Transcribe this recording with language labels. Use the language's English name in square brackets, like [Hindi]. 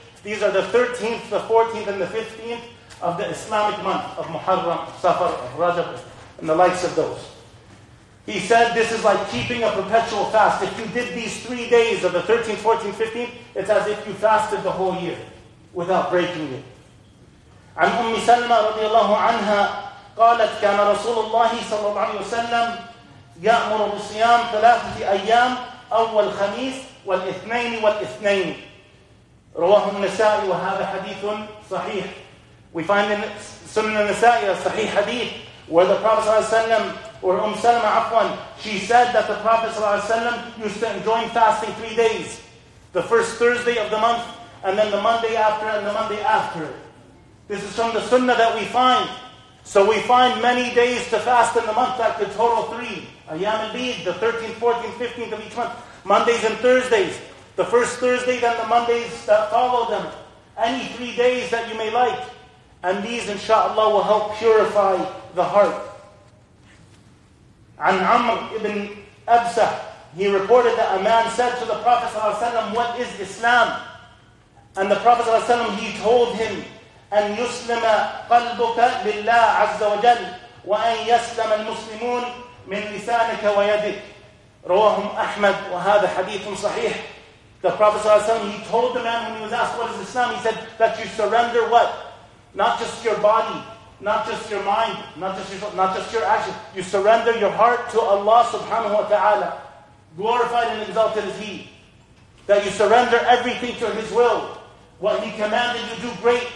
[English] These are the 13th, the 14th, and the 15th of the Islamic month of Muharram, Safar, of Rajab, and the likes of those. He said, this is like keeping a perpetual fast. If you did these 3 days of the 13th, 14th, 15th, it's as if you fasted the whole year without breaking it. [Arabic] عن أم سلمة رضي الله عنها قالت كان رسول الله صلى الله عليه وسلم يأمر بصيام ثلاثة أيام أول خميس والاثنين والاثنين. رواه النسائي وهذا حديث صحيح. [English] We find in Sunan al-Nasa'i a sahih hadith where the Prophet ﷺ, or Umm Salama Afwan, she said that the Prophet ﷺ used to enjoin fasting 3 days. The first Thursday of the month, and then the Monday after, and the Monday after. This is from the sunnah that we find. So we find many days to fast in the month, that the total three. Ayyam al-Bid, the 13th, 14th, 15th of each month. Mondays and Thursdays. The first Thursday, then the Mondays that follow them. Any 3 days that you may like. And these, inshaAllah, will help purify the heart. An Amr ibn Absa, he reported that a man said to the Prophet ﷺ, "What is Islam?" And the Prophet ﷺ, he told him, [Arabic] "أن يسلم قلبك لله عز وجل وأن يسلم المسلمون من لسانك ويدك." رواه أحمد وهذا حديث صحيح. [English] The Prophet ﷺ, he told the man when he was asked what is Islam, he said that you surrender what? Not just your body, not just your mind, not just your action. You surrender your heart to Allah subhanahu wa ta'ala. Glorified and exalted is He. That you surrender everything to His will. What He commanded you do, great.